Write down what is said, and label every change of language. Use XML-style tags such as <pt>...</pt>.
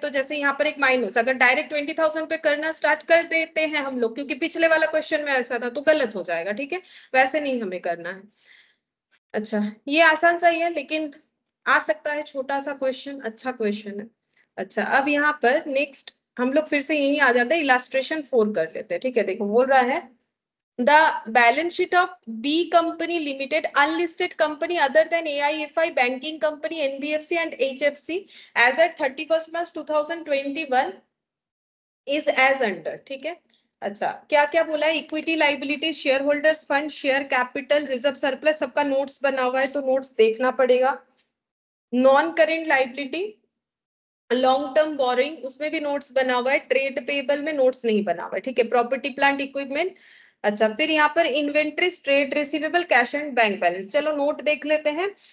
<hi>तो जैसे यहाँ पर एक माइनस, अगर डायरेक्ट 20,000 पे करना स्टार्ट कर देते हैं हम लोग क्योंकि पिछले वाला क्वेश्चन में ऐसा था तो गलत हो जाएगा ठीक है, वैसे नहीं हमें करना है। अच्छा ये आसान सा ही है लेकिन आ सकता है छोटा सा क्वेश्चन, अच्छा क्वेश्चन है। अच्छा अब यहाँ पर नेक्स्ट हम लोग फिर से यही आ जाते हैं इलास्ट्रेशन 4 कर लेते हैं ठीक है। देखो बोल रहा है</hi> <en>The balance sheet of B company limited, unlisted company other than AIFI, banking company, NBFC and HFC as at 31st March 2021 is as under, ठीक है?</en> <hi>अच्छा क्या क्या बोला है? Equity liability, share holders fund, share capital, reserve surplus, सबका notes बना हुआ है तो नोट्स देखना पड़ेगा। Non current liability, long term borrowing, उसमें भी नोट्स बना हुआ है, ट्रेड पेबल में नोट्स नहीं बना हुआ है ठीक है। प्रॉपर्टी प्लांट इक्विपमेंट, अच्छा फिर यहाँ पर inventory, trade receivable, cash and bank balance, चलो नोट देख लेते हैं।</hi>